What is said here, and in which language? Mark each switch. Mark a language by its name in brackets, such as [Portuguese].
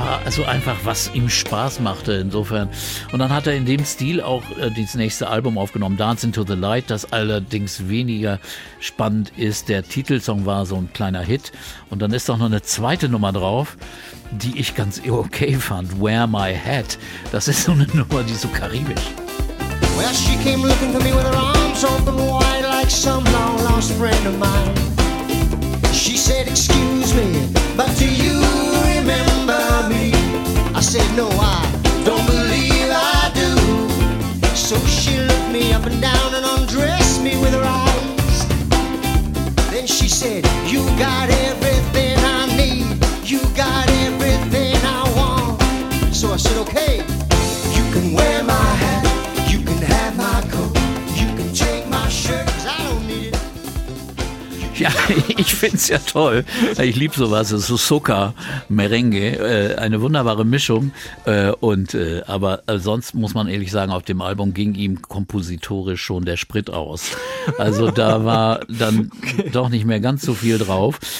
[German] So einfach, was ihm Spaß machte insofern. Und dann hat er in dem Stil auch das nächste Album aufgenommen, Dance into the Light, das allerdings weniger spannend ist. Der Titelsong war so ein kleiner Hit. Und dann ist auch noch eine zweite Nummer drauf, die ich ganz okay fand. Wear My Hat. Das ist so eine Nummer, die ist so karibisch. [English] Well, she came looking for me with her arms open wide like some long lost friend of mine. She said, excuse me, but do you remember me? I said, no, I don't believe I do. So she looked me up and down and undressed me with her eyes. Then she said, you got everything I need. You got everything I want. So I said, okay. You can wear my hat. You can have my coat. You can take my shirt, 'cause I don't need it. [German] Ja, ich find's ja toll. Ich lieb sowas. Es ist so Soca, Merengue, eine wunderbare Mischung. Aber sonst muss man ehrlich sagen, auf dem Album ging ihm kompositorisch schon der Sprit aus. Also da war dann doch nicht mehr ganz so viel drauf.